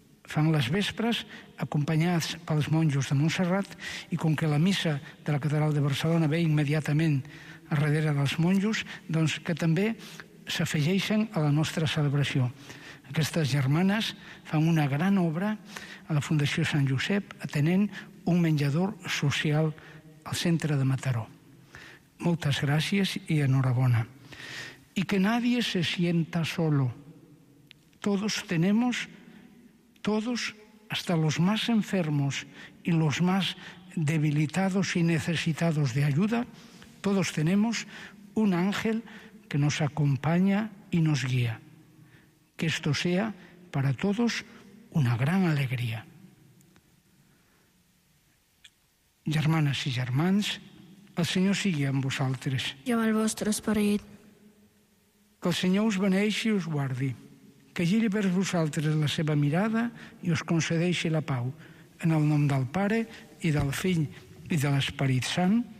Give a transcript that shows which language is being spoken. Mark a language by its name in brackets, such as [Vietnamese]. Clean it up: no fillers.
[Catalan] Fan les vespres acompanyats pels monjos de Montserrat i com que la missa de la Catedral de Barcelona ve immediatament a darrere dels monjos, doncs que també s'afegeixen a la nostra celebració. Aquestes germanes fan una gran obra a la Fundació Sant Josep atenent un menjador social al centre de Mataró. Moltes gràcies i enhorabona. [Spanish] I que nadie se sienta solo. Todos tenemos, todos, hasta los más enfermos y los más debilitados y necesitados de ayuda, todos tenemos un ángel que nos acompaña y nos guía. Que esto sea para todos una gran alegría. [Catalan] Germanes i germans, el Senyor sigui amb vosaltres. I amb el vostre esperit. Que el Senyor us beneixi i us guardi. Que giri vers vosaltres la seva mirada i us concedeixi la pau. En el nom del Pare i del Fill i de l'Esperit Sant.